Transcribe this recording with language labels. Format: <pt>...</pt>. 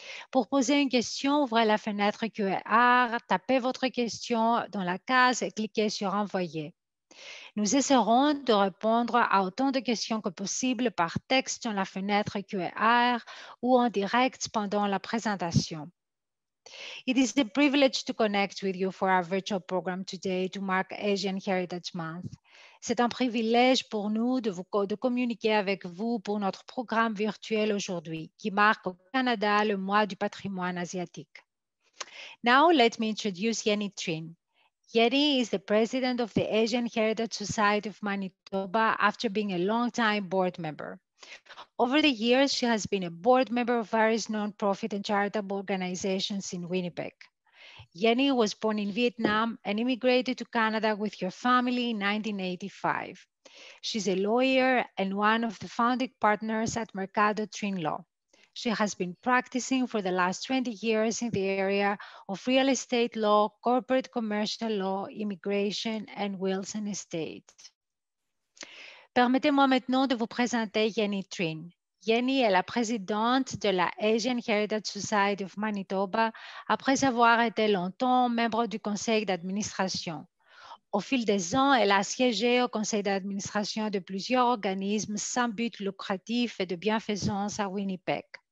<fr>Pour poser une question, ouvrez la fenêtre QR, tapez votre question dans la case et cliquez sur « Envoyer ». Nous essaierons de répondre à autant de questions que possible par texte dans la fenêtre QR ou en direct pendant la présentation.</fr> <en>It is a privilege to connect with you for our virtual program today to mark Asian Heritage Month.</en> <fr>C'est un privilège pour nous de vous de communiquer avec vous pour notre programme virtuel aujourd'hui, qui marque au Canada le mois du patrimoine asiatique.</fr> <en>Now, let me introduce Yeni Trin. Yeni is the president of the Asian Heritage Society of Manitoba after being a long-time board member. Over the years, she has been a board member of various nonprofit and charitable organizations in Winnipeg. Yeni was born in Vietnam and immigrated to Canada with her family in 1985. She's a lawyer and one of the founding partners at Mercado Trin Law. She has been practicing for the last 20 years in the area of real estate law, corporate commercial law, immigration, and wills and estate.</en> <fr>Permettez-moi maintenant de vous présenter Yeni Trin. Yeni est la présidente de la Asian Heritage Society of Manitoba après avoir été longtemps membre du conseil d'administration. Au fil des ans, elle a siégé au conseil d'administration de plusieurs organismes sans but lucratif et de bienfaisance à Winnipeg.</fr>